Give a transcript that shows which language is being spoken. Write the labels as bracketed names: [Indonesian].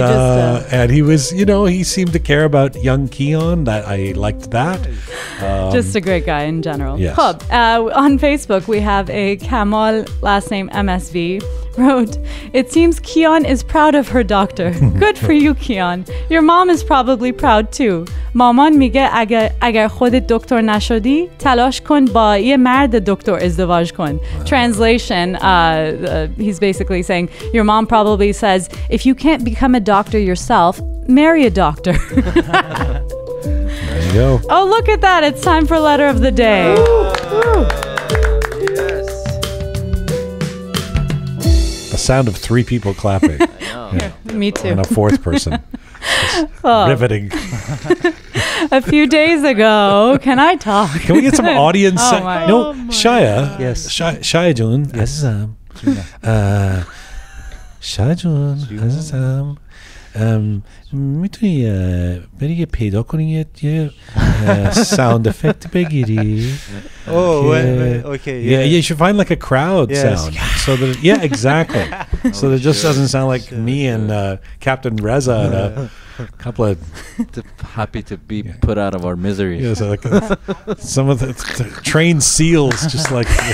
[English] And he was, you know, he seemed to care about young Keon. That I liked that. Just a great guy in general. Yes. Hub, on Facebook, we have a Kamal, last name MSV, wrote, "It seems Keon is proud of her doctor. Good for you, Keon. Your mom is probably proud too. [Persian] مامان میگه اگر خودت دکتر نشدی تلاش کن با یه مرد دکتر ازدواج کن." [English] Translation, he's basically saying, your mom probably says, if you can't become a doctor yourself, marry a doctor. There you go. Oh, look at that. It's time for letter of the day. Yes. The sound of three people clapping. I know. Me too. And a fourth person. Riveting. A few days ago, can I talk? Can we get some audience? Shaya. Yes. Shaya Jun. Yes. Shaya Jun. Azizam. [Persian] میتونی بری یه پیدا کنی یه ساوند افکت بگیری. [English] Oh, okay. Yeah, you should find like a crowd sound. So that, yeah, exactly. So that it just doesn't sound like me and Captain Reza and a couple of happy to be put out of our misery. Yeah, so like some of the trained seals just like.